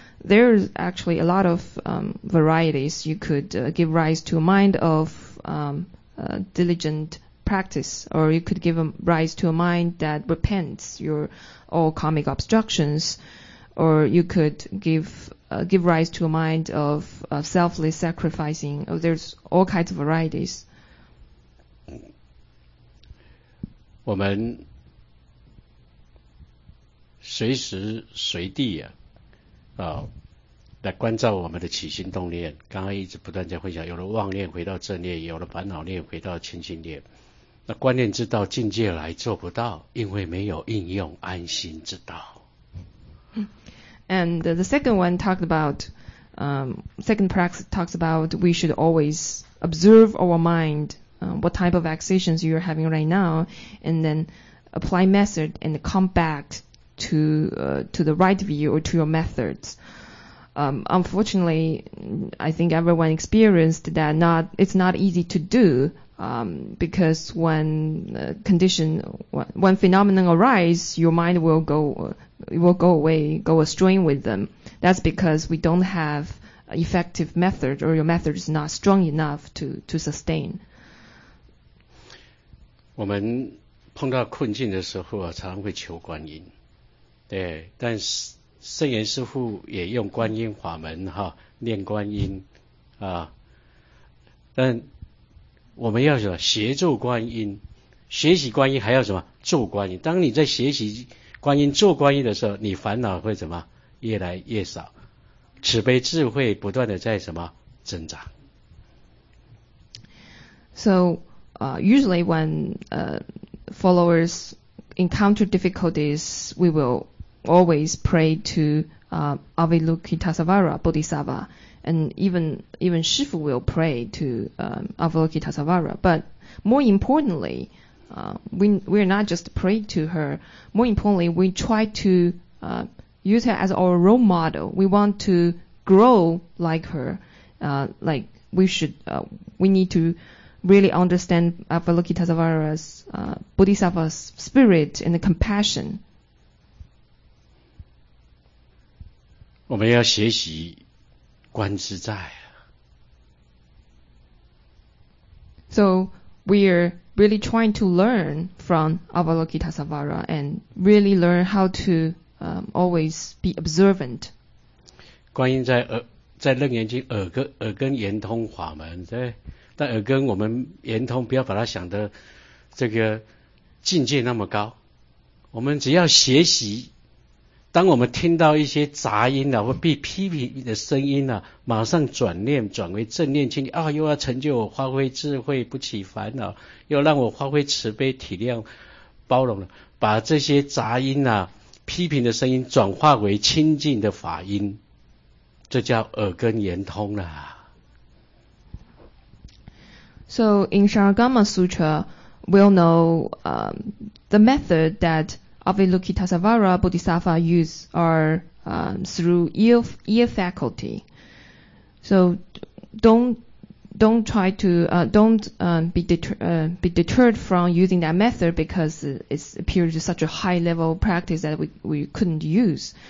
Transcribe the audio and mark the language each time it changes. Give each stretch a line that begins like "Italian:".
English: There's actually a lot of varieties. You could give rise to a mind of diligent practice, or you could give rise to a mind that repents your all karmic obstructions, or you could give rise to a mind of selfless sacrificing. Oh, there's all kinds of varieties.
Chinese: 我们随时随地来关照我们的起心动念。刚刚一直不断在分享，有了妄念回到正念，有了烦恼念回到清净念。那观念之道境界来做不到，因为没有应用安心之道。
English: And the second one talked about, second practice talks about we should always observe our mind. What type of accessions you are having right now, and then apply method and come back to the right view or to your methods. Unfortunately, I think everyone experienced that it's not easy to do, because when when phenomenon arise, your mind will go away, go astray with them. That's because we don't have effective method or your method is not strong enough to sustain.
Chinese: 我们碰到困境的时候啊，常常会求观音，对。但圣严师父也用观音法门哈，念观音啊。但我们要什么？协助观音，学习观音还要什么？助观音。当你在学习观音做观音的时候，你烦恼会怎么越来越少，慈悲智慧不断的在什么增长。
English: So, usually when followers encounter difficulties, we will always pray to Avalokitesvara Bodhisattva, and even Shifu will pray to Avalokitesvara. But more importantly, we are not just pray to her. More importantly, we try to use her as our role model. We want to grow like her. Like we should, we need to. Really understand Avalokitesvara's Bodhisattva's spirit and the compassion.
Chinese: 我们要学习观自在。
English: So we're really trying to learn from Avalokitesvara and really learn how to always be observant.
Chinese: 观音在楞严经耳根圆通法门在。但耳根我们圆通不要把它想得这个境界那么高，我们只要学习，当我们听到一些杂音啊或被批评的声音啊，马上转念转为正念，清啊，又要成就我发挥智慧不起烦恼，又让我发挥慈悲体谅包容，把这些杂音啊批评的声音转化为清净的法音，这叫耳根圆通啊。
English: So in Sharangama Sutra, we'll know the method that Avalokitesvara Bodhisattva use are through ear faculty. So don't be deterred from using that method because it appears to such a high level practice that we couldn't use.